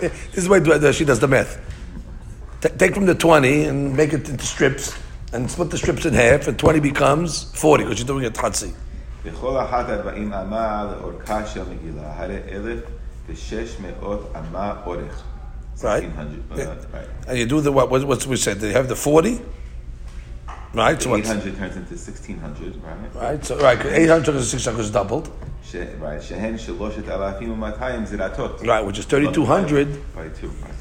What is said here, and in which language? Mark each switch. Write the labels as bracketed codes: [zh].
[en] This is the way she does the math. Take from the 20 and make it into strips, and split the strips in half, and 20 becomes 40, because you're doing it tchatsi. [he] בכל אחת 40 אמה לאורכה של מגילה, הרי 1,600 אמה אורך. [en] Right. And you do the, what we said, they have the 40? Right, so 800 turns into 1,600, right? Right, so right, 800 to 600 is doubled. [he] Right, שהן 3,200 זירתות. [en] Right, which is 3,200. By two.